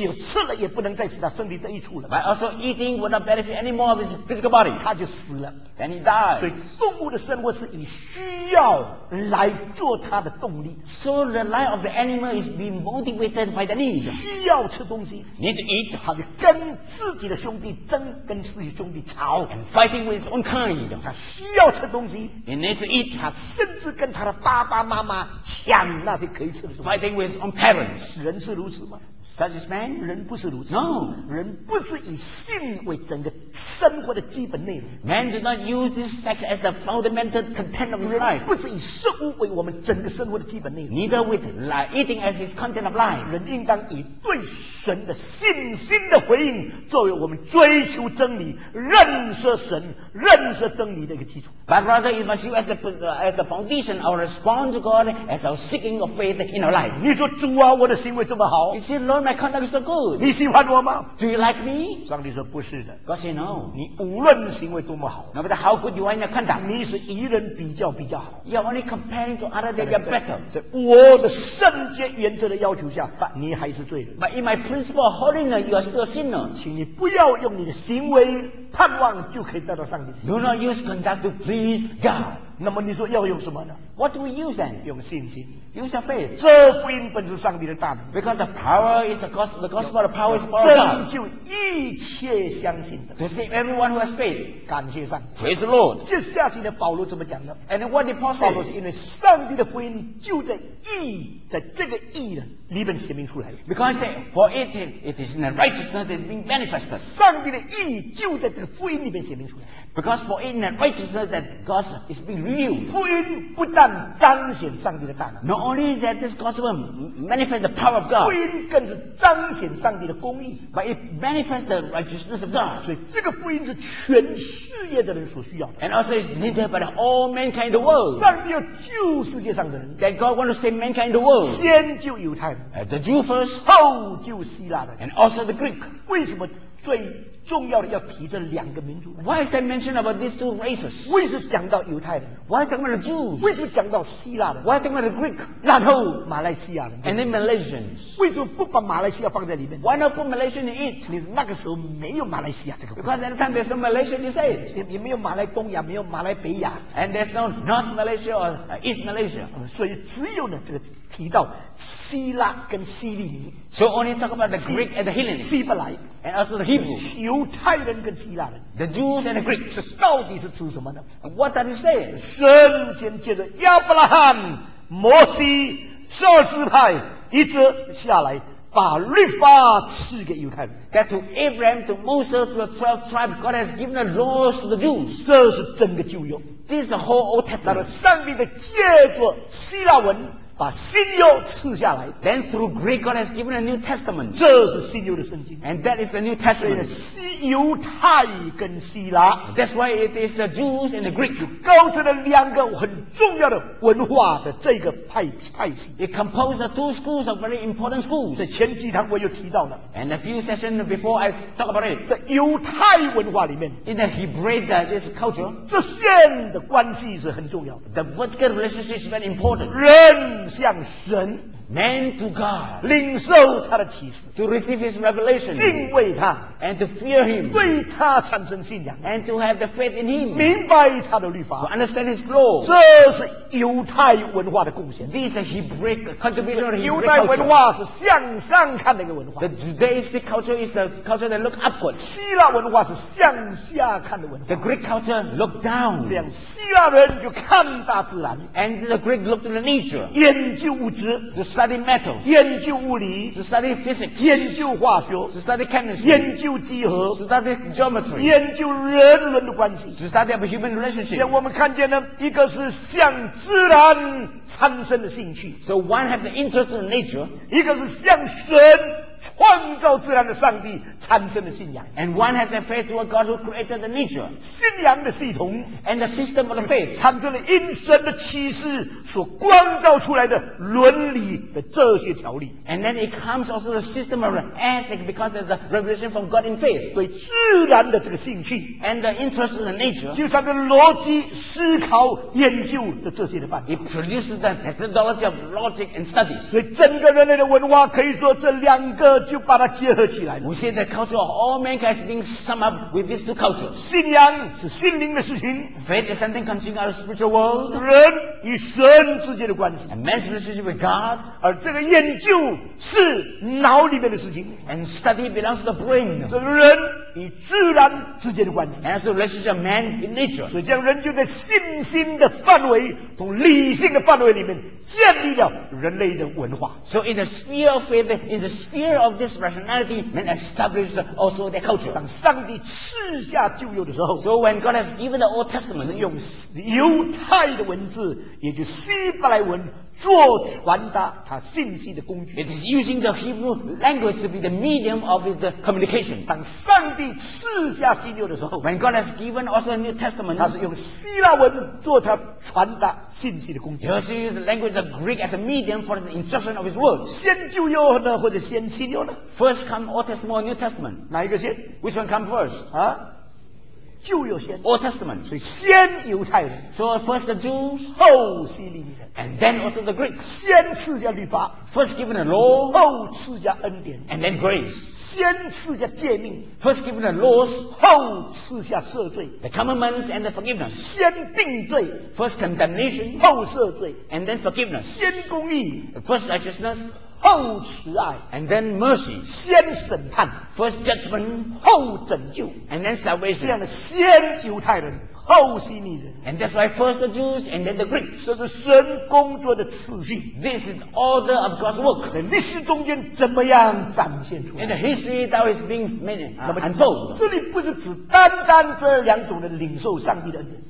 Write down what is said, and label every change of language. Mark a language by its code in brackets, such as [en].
[zh] 有吃了也不能再使他身体得益处了 [en] ，but also eating will not benefit any more of his physical body， [zh] 他就死了 [en] ，then he dies。 [zh] 所以动物的生活是以需要来做他的动力 [en] ，so the The life of the animal is being motivated by the need. [zh] 需要吃东西 [en] Need to eat. [zh] 他就跟自己的兄弟争，跟自己兄弟吵 [en] And fighting with his own kind. [zh] 他需要吃东西 [en] He needs to eat. [zh] 他甚至跟他的爸爸妈妈抢那些可以吃的东西 [en] Fighting with his own parents. [zh] 人是如此吗？ [en] Such as man, [zh] 人不是如此。 [en] No, [zh] 人不是以性为整个生活的基本内容。 [en] Man does not use this sex as the fundamental content of his life. [zh] 人不是以食物为我们整个生活的基本内容。 [en] Neither with eating as its content of life. [zh] 人应当以对神的信心的回应作为我们追求真理、认识神、认识真理的一个基础。 [en] But rather, it must use as the foundation our response to God as our seeking of faith in our life. [zh] 你说主啊，我的行为这么好。 [en] Lord, my conduct is so good. [zh] 你喜欢我吗 [en] ？Do you like me？ [zh] 上帝说不是的。 [en] God said no. [zh] 你无论行为多么好 [en] ，No matter how good you are in your conduct， [zh] 你是与人比较好。 [en] You're only comparing to others that you're better. [zh] 在我的圣洁原则的要求下，但你还是罪人。 [en] But in my principle of holiness, you are still a sinner. [zh] 请你不要用你的行为盼望就可以得到上帝。 [en] Do not use conduct to please God. [zh] 那么你说要用什么呢 [en] ？What do we use then？ [zh] 用信心。 [en] Use your faith. [zh] 这福音本是上帝的大能。 [en] Because the power is the gospel. The power is power. [zh] 拯救一切相信的。 [en] To save everyone who has faith. [zh] 感谢上帝。 [en] Praise the Lord. [zh] 接下去的保罗怎么讲呢 [en] ？And what did Paul say? [zh] 保罗是因为上帝的福音就在义，在这个义的里面显明出来。 [en] Because he said, for it is in the righteousness that is being manifested. [zh] 上帝的义就在这个福音里面显明出来。 [en] Because for it in the righteousness that God is being revealed. [zh] 福音不但彰显上帝的大能。 [en] Only that this gospel manifests the power of God. [zh] 福音更是彰显上帝的公义 [en] ，but it manifests the righteousness of God. [zh] 所以这个福音是全世界的人所需要的 [en] ，and also is needed by all mankind in the world. [zh] 上帝要救世界上的人 [en] ，that God wants to save mankind in the world. [zh] 先救犹太人 [en] ，the Jew first， [zh] 后救希腊人 [en] ，and also the Greek. [zh] 为什么最重要的要提这两个民族 [en] ？Why is that mentioned about these two races？ [zh] 为什么讲到犹太人 [en] ？Why is it about the Jews？ [zh] 为什么讲到希腊人 [en] ？Why is it about the Greek？ [zh] 然后马来西亚人 [en] ，and then Malaysians？ [zh] 为什么不把马来西亚放在里面 [en] ？Why not put Malaysia in it？ [zh] 你那个时候没有马来西亚这个 [en] ，because at the time there's no Malaysia in it， [zh] 也没有马来东亚，没有马来北亚 [en] ，and there's no North Malaysia or East Malaysia。 [zh] 所以只有呢这个提到希腊跟希利尼 [en] ，so only talk about the Greek and the Hellenes， [zh] 希伯来。 [en] And also the Hebrews, [zh] 犹太人跟希腊人 [en] ，the Jews and the Greeks， [zh] 到底是指什么呢 [en] ？What does it say？ [zh] 神先借着亚伯拉罕、摩西、撒支派一直下来，把律法赐给犹太人。 [en] That to Abraham, to Moses, to the 12 tribes, God has given the laws to the Jews. [zh] 这是整个旧约。 [en] This is the whole Old Testament. [zh] 上帝的借着希腊文。把新约赐下来 [en] ，Then through Greek God has given a New Testament. [zh] 这是新约的圣经 [en] ，And that is the New Testament. [zh] 犹太跟希腊 [en] ，That's why it is the Jews and the Greeks. [zh] 构成了两个很重要的文化的这个派系。 [en] It composed the two schools of very important schools. [zh] 在前几堂我又提到了 [en] ，And a few sessions before I talk about it. [zh] 在犹太文化里面 [en] ，In the Hebraic this culture， [zh] 这线的关系是很重要的。 [en] The vertical relationship is very important. [zh] 人向神 [en] Man to God， [zh] 领受他的启示 [en] ，to receive his revelation， [zh] 敬畏他 [en] ，and to fear him， [zh] 对他产生信仰 [en] ，and to have the faith in him， [zh] 明白他的律法 [en] ，to understand his law， [zh] 这是犹太文化的贡献 [en] ，this is a Hebrew contribution of Hebrew culture。 [zh] 犹太文化是向上看的一个文化 [en] ，the Judaistic culture is the culture that look upward。 [zh] 希腊文化是向下看的文化 [en] ，the Greek culture look down。 [zh] 这样希腊人就看大自然 [en] ，and the Greek look to the nature， [zh] 研究物质 [en] ，to study metals， [zh] 研究物理 [en] ，to study physics， [zh] 研究化学 [en] ，to study chemistry， [zh] 研究几何 [en] ，to study geometry， [zh] 研究人伦的关系 [en] ，to study of human relationship。 [zh] 我们看见呢，一个是向自然产生的兴趣 [en] ，so one has the interest in nature， [zh] 一个是向神创造自然的上帝产生的信仰 [en] ，and one has a faith to a God who created the nature， [zh] 信仰的系统 [en] ，and the system of the faith， [zh] 产生了因神的启示所光照出来的伦理的哲学条理 [en] ，and then it comes also the system of ethics because there's a revelation from God in faith， [zh] 对自然的这个兴趣 [en] ，and the interest in the nature， [zh] 就像个逻辑思考研究的这些的办法 [en] ，it produces the methodology of logic and studies， [zh] 所以整个人类的文化可以说这两个。就把它结合起来。 [en] We say the culture of all mankind has been summed up with these two cultures. [zh] 信仰是心灵的事情 [en] ，faith is something concerning our spiritual world. [zh] 人与神之间的关系 [en] ，a man's relationship with God. [zh] 而这个研究是脑里面的事情 [en] ，and study belongs to the brain. [zh] 这个人与自然之间的关系 [en] ，as the relationship of man with nature. [zh] 所以这样人就在信心的范围，从理性的范围里面建立了人类的文化。 [en] So in the sphere of faith, in the sphere of this rationality, man established also their culture. [zh] 当上帝赐下旧约的时候 [en] ，So when God has given the Old Testament, [zh] 是用犹太的文字，也就是希伯来文。做传达他信息的工具。 [en] It is using the Hebrew language to be the medium of his communication. [zh] 当上帝赐下新约的时候 [en] ，When God has given also a New Testament， [zh] 他是用希腊文做他传达信息的工具。 [en] He has used the language of Greek as a medium for the instruction of his word. [zh] 先旧约呢，或者先新约呢 [en] ？First come Old Testament or New Testament？ [zh] 哪一个先 [en] ？Which one come first？ [zh] 啊？旧约先 [en] ，Old Testament， [zh] 所以先犹太人 [en] ，So first the Jews， [zh] 后希利尼人 [en] ，And then also the Greeks， [zh] 先赐下律法 [en] ，First given the law， [zh] 后赐下恩典 [en] ，And then grace。 [zh] 先赐下诫命 [en] ，first given the laws， [zh] 后赐下赦罪 [en] ，the commandments and the forgiveness。 [zh] 先定罪 [en] ，first condemnation， [zh] 后赦罪 [en] ，and then forgiveness。 [zh] 先公义 [en] ，first righteousness， [zh] 后慈爱 [en] ，and then mercy。 [zh] 先审判 [en] ，first judgment， [zh] 后拯救 [en] ，and then salvation。 [zh] 这样的先犹太人。后希腊人 [en] ，and that's why first the Jews and then the Greeks。 [zh] 这是神工作的次序 [en] ，this is order of God's work。 [zh] 在历史中间怎么样展现出来 [en] ？And the history that is being made and told。 [zh] 这里不是只单单这两种人领受上帝的恩典。